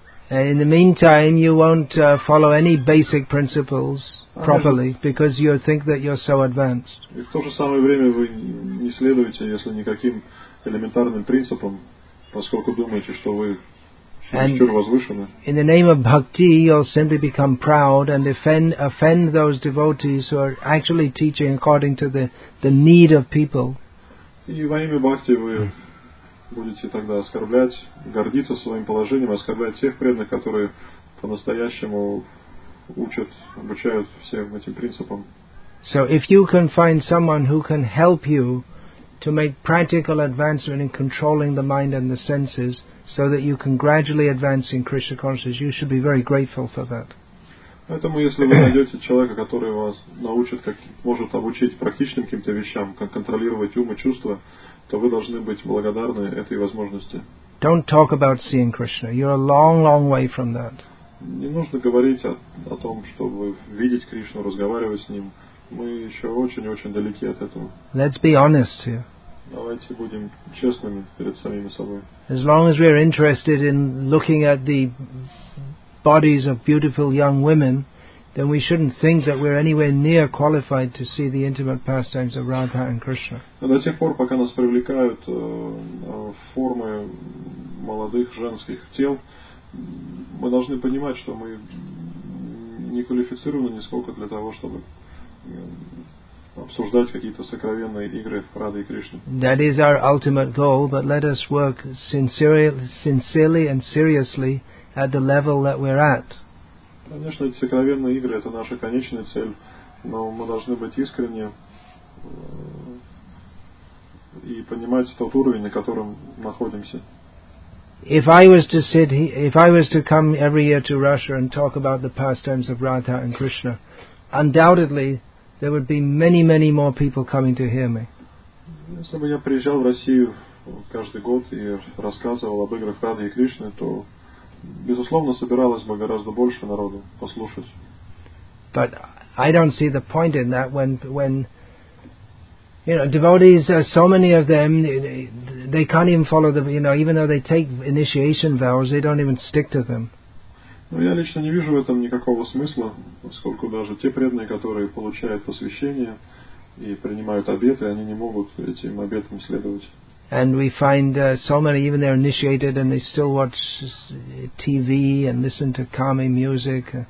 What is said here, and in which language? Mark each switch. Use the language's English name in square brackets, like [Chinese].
[English] And in the meantime, you won't follow any basic principles properly, because you think that you're so advanced. [Russian] И в то же самое время вы не следуете, если никаким элементарным принципам, поскольку думаете, что вы чересчур возвышены. [English] And in the name of bhakti, you'll simply become proud and offend those devotees who are actually teaching according to the need of people. [Russian] И во имя бхакти вы будете тогда оскорблять, гордиться своим положением, оскорблять тех преданных, которые по-настоящему обучают всем этим принципам. [English] So if you can find someone who can help you to make practical advancement in controlling the mind and the senses so that you can gradually advance in Krishna consciousness, you should be very grateful for that. [Russian] Поэтому если вы найдете человека, который вас научит, как может обучить практичным каким-то вещам, как контролировать ум и чувства, то вы должны быть благодарны этой возможности. [English] Don't talk about seeing Krishna. You're a long, long way from that. [Russian] Не нужно говорить о том, чтобы видеть Кришну, разговаривать с ним. Мы еще очень-очень далеки от этого. [English] Let's be honest here. [Russian] Давайте будем честными перед самими собой. [English] As long as we're interested in looking at the bodies of beautiful young women, then we shouldn't think that we're anywhere near qualified to see the intimate pastimes of Radha and Krishna. [Russian] До тех пор, пока нас привлекают формы молодых женских тел, мы должны понимать, что мы не квалифицированы нисколько для того, чтобы обсуждать какие-то сокровенные игры Рады и Кришны. [English] That is our ultimate goal, but let us work sincerely and seriously at the level that we're at. [Russian] Конечно, эти сокровенные игры – это наша конечная цель, но мы должны быть искренни и понимать тот уровень, на котором находимся. [English] If I was to come every year to Russia and talk about the pastimes of Radha and Krishna, undoubtedly there would be many, many more people coming to hear me. [Russian] Если бы я приезжал в Россию каждый год и рассказывал об играх Рады и Кришны, то безусловно, собиралось бы гораздо больше народу послушать. [English] But I don't see the point in that when You know, devotees, so many of them, they can't even follow the, you know, even though they take initiation vows, they don't even stick to them. [Russian] Ну, я лично не вижу в этом никакого смысла, поскольку даже те преданные, которые получают посвящение и принимают обеты, они не могут этим обетам следовать. [English] And we find so many, even they're initiated and they still watch TV and listen to calming music.